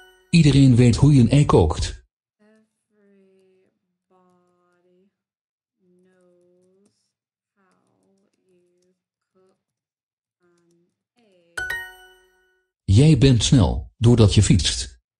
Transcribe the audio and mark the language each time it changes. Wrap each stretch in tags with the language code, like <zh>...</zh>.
<nl>Iedereen weet hoe je een ei kookt.</nl> <en>Everybody knows how you cook an egg.</en> <nl>Jij bent snel, doordat je fietst.</nl>